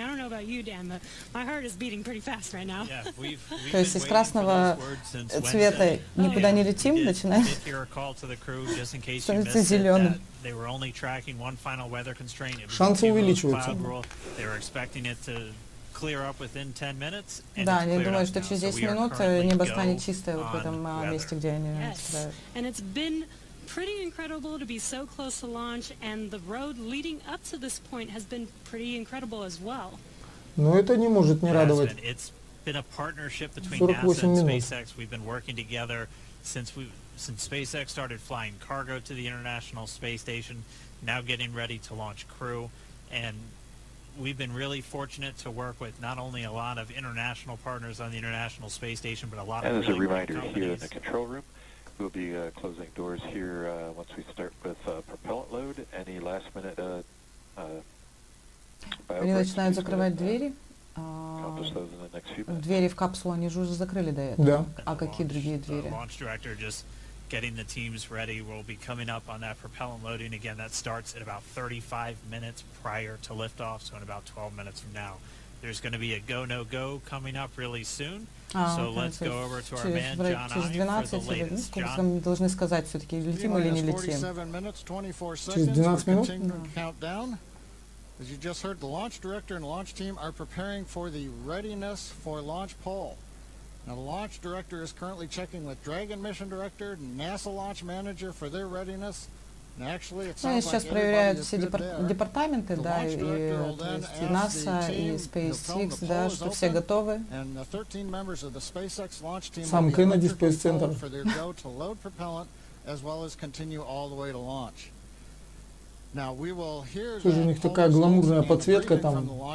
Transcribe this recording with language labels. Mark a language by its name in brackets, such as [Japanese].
[English] I don't know about you, Dan, but my heart is beating pretty fast right now. [Russian] То есть из красного цвета никуда не летим, начинается зеленым. [English] They were only tracking one final weather constraint. [Russian] Шансы увеличиваются. [English] They were expecting it to clear up within 10 minutes. [Russian] Да, я думаю, что через 10 минут небо станет чистое в этом месте, где они стоят. [English] And it's been pretty incredible to be so close to launch, and the road leading up to this point has been pretty incredible as well. [Russian] Но это не может не радовать. [English] It's been a partnership between NASA and SpaceX. We've been working together since SpaceX started flying cargo to the International Space Station, now getting ready to launch crew, and we've been really fortunate to work with not only a lot of international partners on the International Space Station, but a lot of really great companies. And as a reminder, here in the control room, We'll be closing doors here once we start with propellant load. Any last minute [Russian] Они начинают закрывать двери. Двери в капсулу они же уже закрыли до этого. Да. А какие другие двери? [English] Launch director just getting the teams ready. We'll be coming up on that propellant loading again. That starts at about 35 minutes prior to liftoff, so in about 12 minutes from now. There's going to be a go-no-go coming up really soon. So let's go over to our man, John Ive, for the latest. John? [Russian] Мы должны сказать, все-таки летим или не летим. Через 12 минут? [English] Countdown. As you just heard, the launch director and launch team are preparing for the readiness for launch pull. Now, the launch director is currently checking with Dragon mission director, NASA launch manager for their readiness. And actually, it sounds like everybody is good there. The launch director [Russian] NASA и SpaceX, да, что все готовы. [English] And the 13 members of the SpaceX launch team will be under control for their go to load propellant as well as continue all the way to launch. Now we will hear [Russian] Слушай, у них такая гламурная подсветка там.